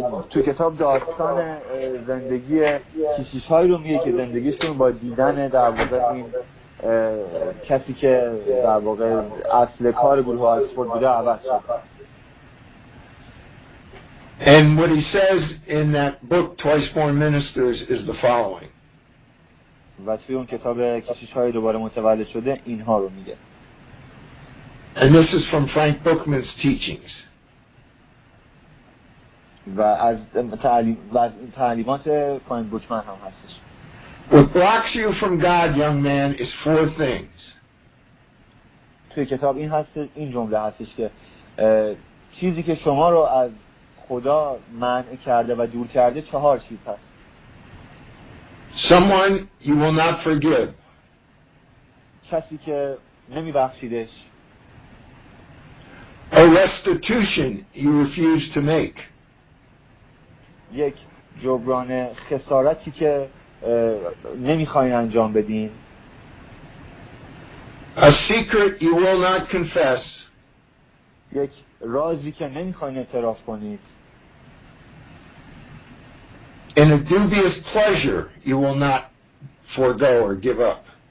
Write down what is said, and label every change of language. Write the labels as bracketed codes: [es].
[fa] تو کتاب داستان زندگی کشیشایی رو میگه که زندگیشون با دیدن در واقع این کسی که در واقع اصل کار گروه آکسفورد بوده عوض شد. [en] And what he says in that book, Twice Born Ministers, is the following. [fa] و توی اون کتاب کشیش‌های دوباره متولد شده اینها رو میگه. [en] And this is from Frank Buchman's teachings. [fa] و از تعلیمات فرانک بوچمن هم هستش. [en] What blocks you from God, young man, is four things. [fa] توی کتاب این هست، این جمله هستش که چیزی که شما رو از خدا منع کرده و دور کرده چهار چیز هست. [en] Someone you will not forgive. [fa] کسی که نمیبخشیدش. [en] A restitution you refuse to make. [fa] یک جبران خسارتی که نمیخواین انجام بدین. [en] A secret you will not confess. [fa] یک رازی که نمیخواین اعتراف کنید. [en] In a dubious pleasure, you will not forego or give up.